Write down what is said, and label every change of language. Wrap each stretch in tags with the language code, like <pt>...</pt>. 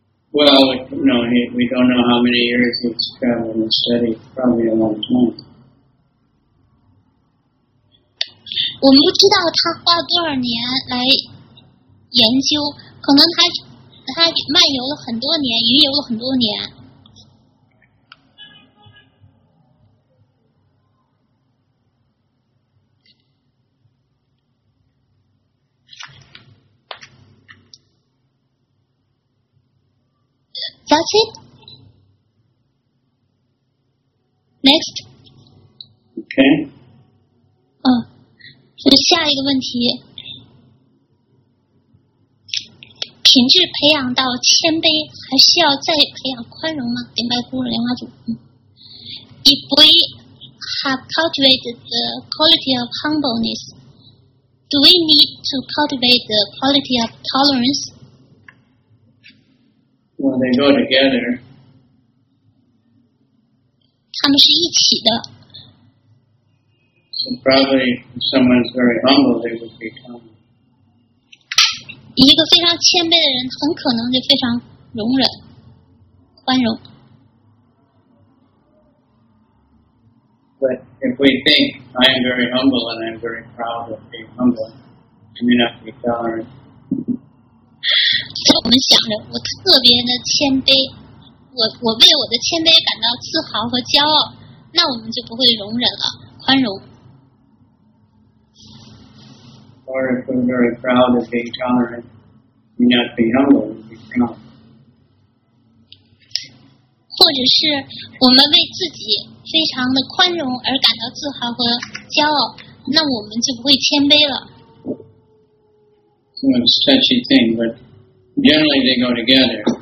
<en>Well, we don't know how many years he's traveled and studied. Probably a long time.</en> <zh>我们不知道他花多少年来研究，可能他漫游了很多年，云游了很多年。</zh> <en>That's it. Next. Okay.</en> <zh>所以下一个问题，品质培养到谦卑，还需要再培养宽容吗？明白，孤儿莲花组。</zh> <en>If we have cultivated the quality of humbleness, do we need to cultivate the quality of tolerance? Well, they go together.</en> <zh>他们是一起的。</zh> <en>So probably if someone's very humble, they would become.</en> <zh>一个非常谦卑的人很可能就非常容忍、宽容。</zh> <en>But if we think I am very humble and I'm very proud of being humble, I may not be tolerant.</en> <zh>在我们想着我特别的谦卑，我为我的谦卑感到自豪和骄傲，那我们就不会容忍了，宽容。</zh> <en>Or if we're very proud of being tolerant, we may not be humble and be proud.</en> <zh>或者是我们为自己非常的宽容而感到自豪和骄傲，那我们就不会谦卑了。</zh> <en>So it's a touchy thing, but generally they go together.</en>